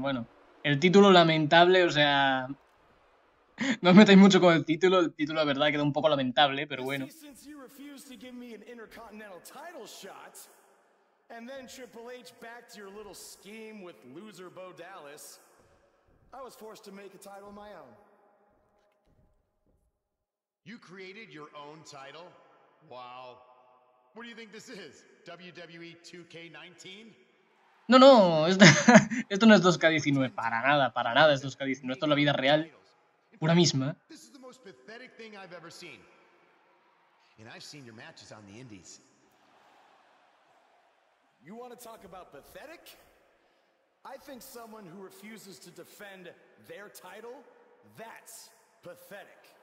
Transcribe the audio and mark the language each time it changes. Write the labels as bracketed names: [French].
[Spanish] Bueno, el título lamentable, o sea, no os metáis mucho con el título la verdad quedó un poco lamentable, pero bueno. [English] Since you refused to give me an intercontinental title shot, and then Triple H backed your little scheme with loser Bo Dallas, I was forced to make a title of my own. You created your own title? Wow. What do you think this is? WWE 2K19? [Spanish] No, esto no es 2K19, para nada es 2K19, esto es la vida real, pura misma. [English] This is the most pathetic thing I've ever seen. And I've seen your matches on the indies. You want to talk about pathetic? I think someone who refuses to defend their title, that's pathetic.